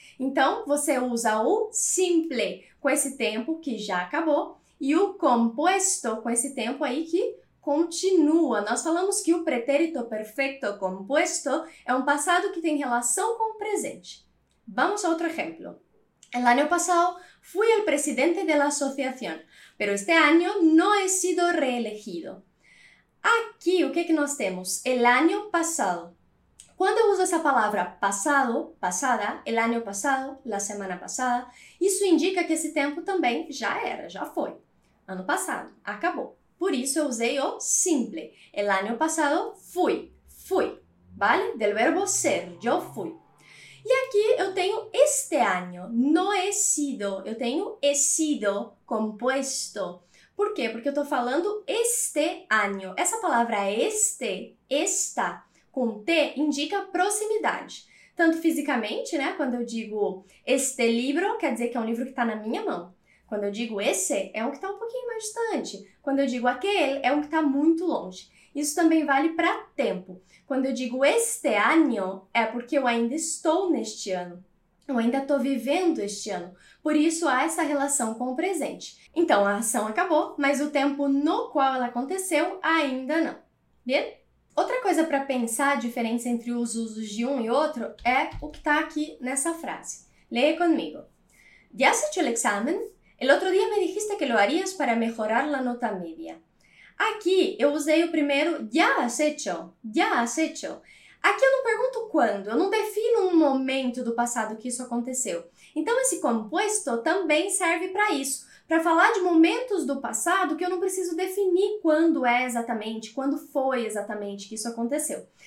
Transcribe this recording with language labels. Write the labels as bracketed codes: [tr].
[pt] Então, você usa o simple com esse tempo que já acabou e o compuesto com esse tempo aí que continua. Nós falamos que o pretérito perfecto compuesto é um passado que tem relação com o presente. Vamos a outro exemplo. [es] El año pasado fui el presidente de la asociación, pero este año no he sido reelegido. [pt] Aqui, o que que nós temos? [es] El año pasado. Cuando uso esa palabra pasado, pasada, el año pasado, la semana pasada, eso indica que ese tiempo también ya era, ya fue. [pt] Ano passado, acabou. Por isso eu usei o simple. [es] El año pasado fui, fui. ¿Vale? Del verbo ser, yo fui. Y aquí [pt] eu tenho [es] este año. No he sido, [pt] eu tenho [es] he sido compuesto. ¿Por qué? [pt] Porque eu tô falando este año. Essa palavra este, esta, com T, indica proximidade. Tanto fisicamente, né? Quando eu digo este libro, quer dizer que é um livro que tá na minha mão. Quando eu digo esse, é um que está um pouquinho mais distante. Quando eu digo aquele, é um que está muito longe. Isso também vale para tempo. Quando eu digo este ano, é porque eu ainda estou neste ano. Eu ainda estou vivendo este ano. Por isso há essa relação com o presente. Então a ação acabou, mas o tempo no qual ela aconteceu ainda não. Bien? Outra coisa para pensar a diferença entre os usos de um e outro é o que está aqui nessa frase. Leia comigo. [es] ¿Ya has hecho el examen? El otro día me dijiste que lo harías para mejorar la nota media. [pt] Aquí eu usei o primeiro [es] ya has hecho, ya has hecho. [pt] Aqui eu não pergunto quando, eu não defino um momento do passado que isso aconteceu. Então esse composto também serve para isso, para falar de momentos do passado que eu não preciso definir quando é exatamente, quando foi exatamente que isso aconteceu.